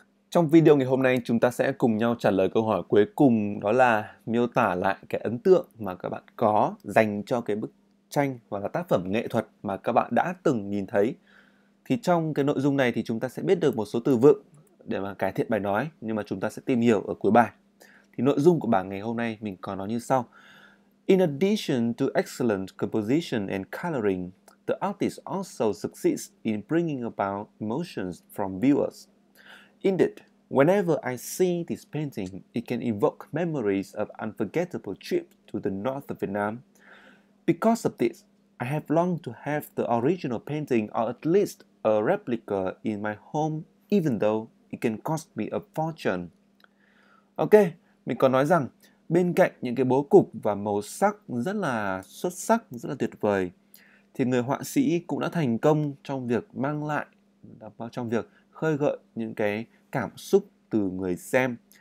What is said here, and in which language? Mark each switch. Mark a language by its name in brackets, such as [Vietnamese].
[Vietnamese] Trong video ngày hôm nay, chúng ta sẽ cùng nhau trả lời câu hỏi cuối cùng, đó là miêu tả lại cái ấn tượng mà các bạn có dành cho cái bức tranh hoặc là tác phẩm nghệ thuật mà các bạn đã từng nhìn thấy. Thì trong cái nội dung này thì chúng ta sẽ biết được một số từ vựng để mà cải thiện bài nói, nhưng mà chúng ta sẽ tìm hiểu ở cuối bài. Thì nội dung của bài ngày hôm nay mình có nói như sau. [English] In addition to excellent composition and coloring, the artist also succeeds in bringing about emotions from viewers. Indeed, whenever I see this painting, it can evoke memories of unforgettable trip to the north of Vietnam. Because of this, I have longed to have the original painting or at least a replica in my home, even though it can cost me a fortune. [Vietnamese] Ok, mình còn nói rằng bên cạnh những cái bố cục và màu sắc rất là xuất sắc, rất là tuyệt vời, thì người họa sĩ cũng đã thành công trong việc mang lại, trong việc khơi gợi những cái cảm xúc từ người xem.